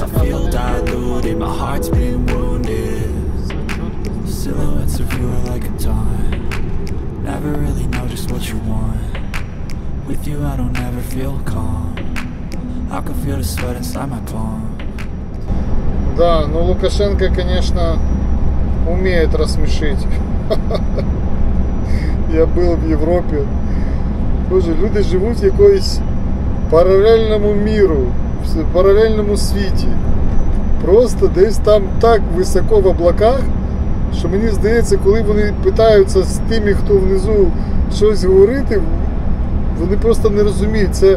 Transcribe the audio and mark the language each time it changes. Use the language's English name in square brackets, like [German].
[English] I feel diluted, my heart's been wounded. Silhouettes of you are like a taunt. Never really know just what you want. With you, I don't ever feel calm. I can feel the sweat inside my palm. [Russian] Да, но Лукашенко, конечно, умеет рассмешить. Я был в Европе. [Ukrainian] Боже, люди живут в якоїсь параллельному миру, в параллельному світі. Просто десь там так високо в облаках, що мені здається, коли вони питаються з тими, хто внизу, щось говорити, вони просто не розуміють.